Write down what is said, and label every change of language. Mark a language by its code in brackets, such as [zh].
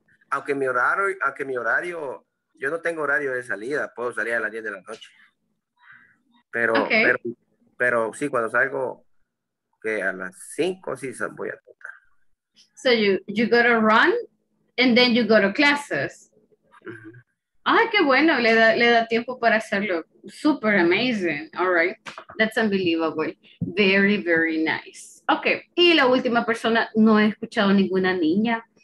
[es] Aunque mi horario, yo no tengo horario de salida, puedo salir a las 10 de la noche. Pero, okay. pero sí, cuando salgo que a las 5, sí voy a tocar. [en] So, you go to run, and then you go to classes. Uh-huh. [es] Ah, qué bueno, le da tiempo para hacerlo. [en] Super amazing, all right. That's unbelievable. Very, very nice. [es] Ok, y la última persona, no he escuchado ninguna niña.